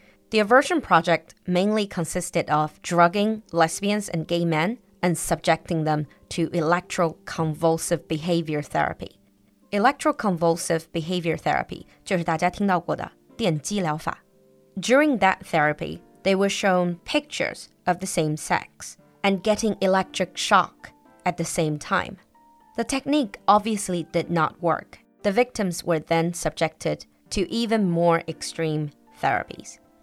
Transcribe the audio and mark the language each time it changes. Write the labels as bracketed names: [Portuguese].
[English] The aversion project mainly consisted of drugging lesbians and gay men and subjecting them to electroconvulsive behavior therapy. Electroconvulsive behavior therapy [Chinese] 就是大家听到过的电击疗法。 [English] During that therapy, they were shown pictures of the same sex and getting electric shock at the same time. The technique obviously did not work. The victims were then subjected to even more extreme therapies.